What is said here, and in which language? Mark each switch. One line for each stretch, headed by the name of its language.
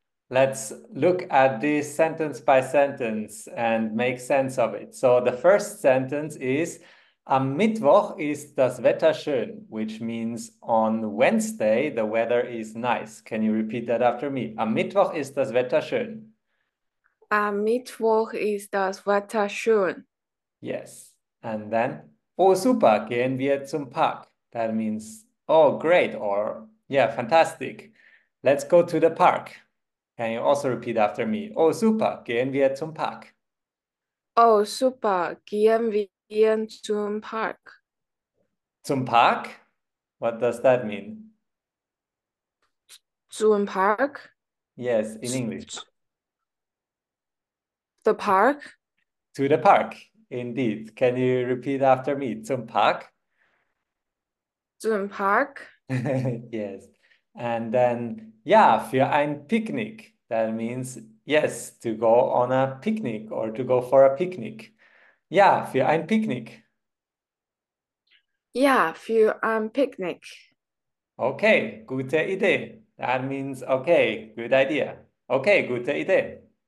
English: Let's look at this sentence by sentence and make sense of it. So the first sentence is,
German: am Mittwoch ist das Wetter schön,
English: which means on Wednesday the weather is nice. Can you repeat that after me?
German: Am Mittwoch ist das Wetter schön. Am Mittwoch ist das Wetter schön.
English: Yes. And then, oh super,
German: gehen wir zum Park.
English: That means, oh great, or yeah, fantastic. Let's go to the park. Can you also repeat after me?
German: Oh super, gehen wir zum Park. Oh super, gehen wir zum Park. Zum Park?
English: What does that mean?
German: Zum Park?
English: Yes, in English. The park? To the park, indeed. Can you repeat after me?
German: Zum Park? Zum Park?
English: Yes. And then,
German: ja, für ein Picknick.
English: That means, yes, to go on a picnic or to go for a picnic.
German: Ja, für ein Picknick. Ja, für ein Picknick. Okay, gute Idee.
English: That means, okay, good idea.
German: Okay, gute Idee.